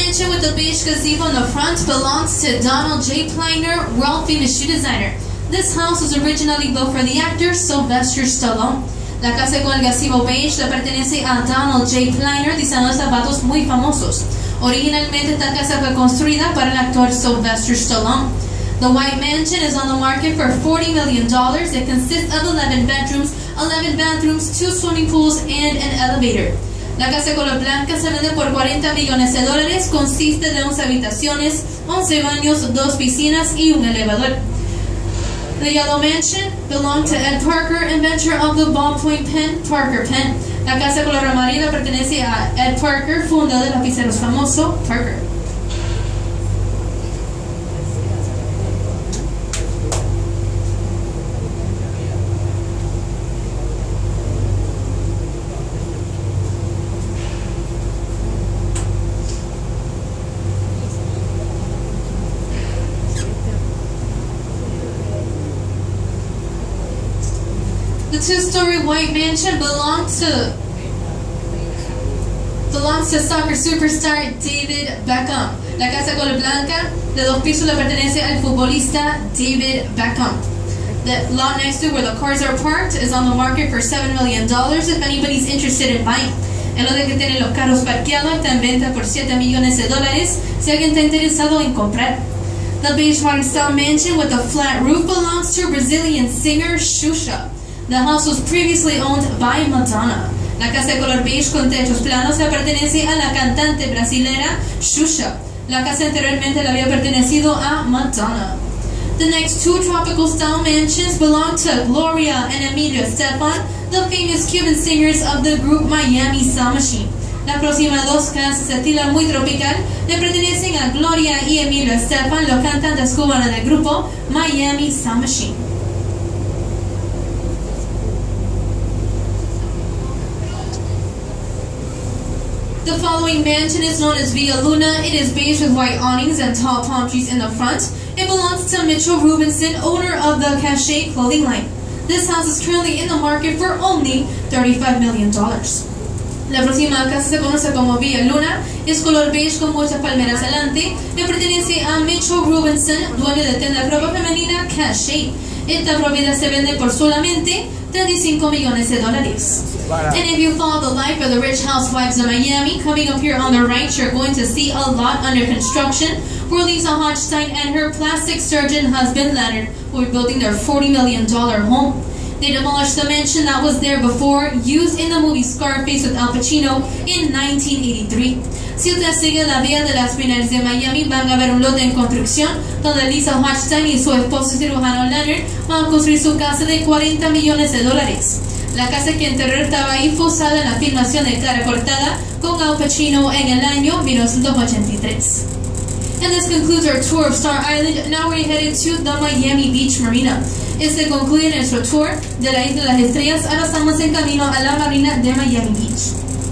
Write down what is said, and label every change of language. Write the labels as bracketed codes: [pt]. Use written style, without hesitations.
[en] With the beige gazebo on the front belongs to Donald J. Pliner, world-famous shoe designer. This house was originally built for the actor Sylvester Stallone. [es] La casa con el gazebo beige le pertenece a Donald J. Pliner, diseñador de zapatos muy famosos. Originalmente esta casa fue construida para el actor Sylvester Stallone. [en] The White Mansion is on the market for $40 million. It consists of 11 bedrooms, 11 bathrooms, 2 swimming pools, and an elevator. [es] La casa color blanca se vende por 40 millones de dólares, consiste de 11 habitaciones, 11 baños, 2 piscinas y un elevador. [en] The Yellow Mansion belonged to Ed Parker, inventor of the ballpoint pen, Parker Pen. [es] La casa color amarilla pertenece a Ed Parker, fundador del lapicero famoso, Parker. [en] The two-story White Mansion belongs to soccer superstar David Beckham. [es] La casa color blanca de dos pisos le pertenece al futbolista David Beckham. [en] The lot next to where the cars are parked is on the market for $7 million if anybody's interested in buying. [es] El lote que tiene los carros parqueados está en venta por 7 millones de dólares si alguien está interesado en comprar. [en] The beige modern-style mansion with a flat roof belongs to Brazilian singer Xuxa. The house was previously owned by Madonna. [es] La casa de color beige con techos planos le pertenece a la cantante brasilera Xuxa. La casa anteriormente le había pertenecido a Madonna. [en] The next two tropical style mansions belong to Gloria and Emilio Estefan, the famous Cuban singers of the group Miami Sound Machine. [es] Las próximas dos casas de estilo muy tropical le pertenecen a Gloria y Emilio Estefan, los cantantes cubanos del grupo Miami Sound Machine. [en] The following mansion is known as Villa Luna. It is beige with white awnings and tall palm trees in the front. It belongs to Mitchell Rubinson, owner of the Cachet clothing line. This house is currently in the market for only $35 million. [es] La próxima casa se conoce como Villa Luna. Es color beige con muchas palmeras delante. Le pertenece a Mitchell Rubinson, dueño de tienda de ropa femenina Cachet. Esta propiedad se vende por solamente 35 millones de dólares. [en] And if you follow the life of the rich housewives of Miami, coming up here on the right, you're going to see a lot under construction where Lisa Hochstein and her plastic surgeon husband Leonard will be building their $40 million home. They demolished the mansion that was there before, used in the movie Scarface with Al Pacino in 1983. [es] Si usted sigue la vía de las finales de Miami, van a ver un lote en construcción donde Lisa Hochstein y su esposo cirujano Leonard van a construir su casa de 40 millones de dólares. La casa que anterior estaba ahí fue usada en la filmación de Clara Cortada con Al Pacino en el año 1983. [en] And this concludes our tour of Star Island. Now we're headed to the Miami Beach Marina. [es] Este concluye nuestro tour de la Isla de las Estrellas. Ahora estamos en camino a la Marina de Miami Beach.